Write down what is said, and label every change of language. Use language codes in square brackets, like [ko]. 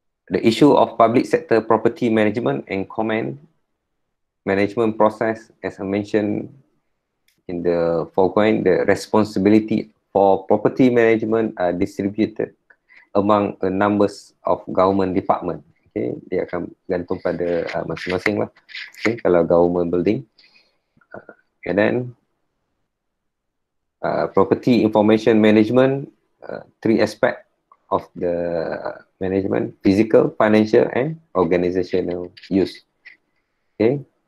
[en] The issue of public sector property management and comment management process, as I mentioned in the foregoing, the responsibility for property management are distributed among a numbers of government department. [ms] Okay, dia akan gantung pada masing-masing lah. Okay, kalau [en] government building. And then, property information management, three aspects of the management: physical, financial, and organizational use. Okay.